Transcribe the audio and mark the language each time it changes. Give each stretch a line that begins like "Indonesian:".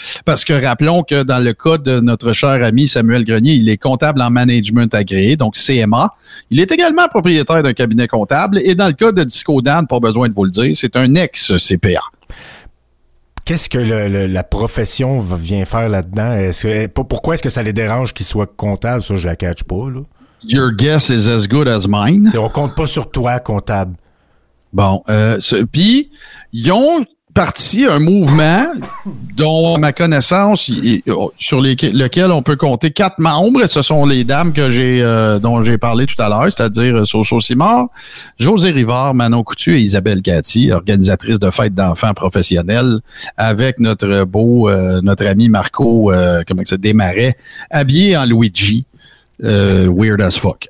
French: Parce que rappelons que dans le cas de notre cher ami Samuel Grenier, il est comptable en management agréé, donc CMA. Il est également propriétaire d'un cabinet comptable. Et dans le cas de Disco Dan, pas besoin de vous le dire, c'est un ex-CPA. Qu'est-ce que la profession vient faire là-dedans? Pourquoi est-ce que ça les dérange qu'ils soient comptables? Ça, je la catch pas, là.
English: Your guess is as good as mine.
French: T'sais, on compte pas sur toi, comptable. Bon, puis ils ont parti un mouvement dont, à ma connaissance, lequel on peut compter quatre membres. Et ce sont les dames que dont j'ai parlé tout à l'heure, c'est-à-dire Soso Simard, José Rivard, Manon Coutu et Isabelle Cathy, organisatrice de fêtes d'enfants professionnels, avec notre beau, notre ami Marco, comment ça démarrait, habillé en Luigi,
English: weird as fuck.